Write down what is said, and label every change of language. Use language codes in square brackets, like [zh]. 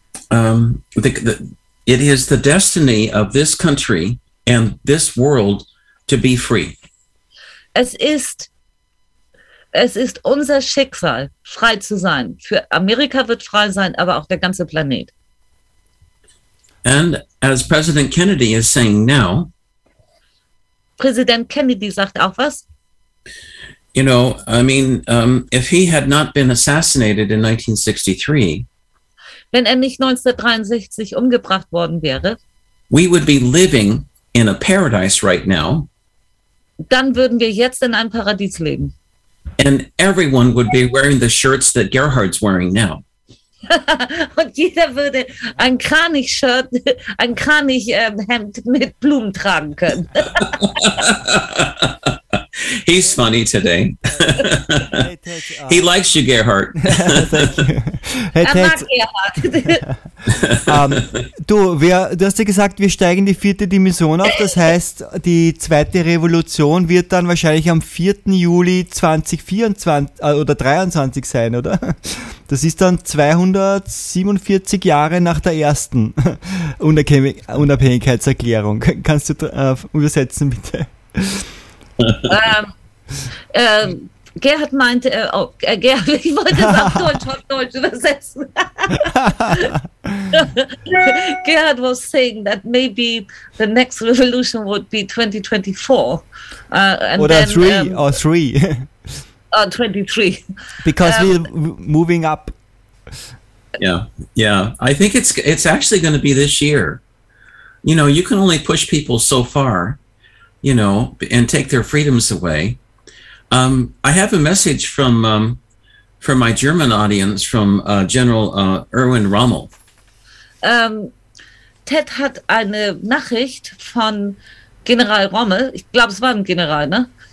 [en] It is the destiny of this country and this world to be free. [de] Es ist unser Schicksal, frei zu sein. Für Amerika wird frei sein, aber auch der ganze Planet. [en] And as President Kennedy is saying now, [de] Präsident Kennedy sagt auch was? [en] You know, I mean, if he had not been assassinated in 1963, [de] wenn er nicht 1963 umgebracht worden wäre, [en] we would be living in a paradise right now. [de] Dann würden wir jetzt in einem Paradies leben. [en] And everyone would be wearing the shirts that Gerhard's wearing now. [de] Und jeder würde ein Kranich-Shirt, ein Kranich-Hemd mit Blumen tragen können. [en] He's funny today. He likes you, Gerhard. Thank you. [de] Hey, Ted. Er mag Gerhard. du hast ja gesagt, wir steigen die vierte Dimension auf. Das heißt, die zweite Revolution wird dann wahrscheinlich am 4. Juli 2024 oder 2023 sein, oder? Das ist dann 247 Jahre nach der ersten Unabhängigkeitserklärung. Kannst du übersetzen, bitte? Gerhard meinte, Gerhard, ich wollte es auf Deutsch übersetzen. [en] Gerhard was saying that maybe the next revolution would be 2024. Or 3, or 3. Or 23. Because we're moving up. Yeah. I think it's actually going to be this year. You know, you can only push people so far, you know, and take their freedoms away. I have a message from my German audience, from General Erwin Rommel. [de] Ted hat eine Nachricht von General Rommel. Ich glaube, es war ein General, ne?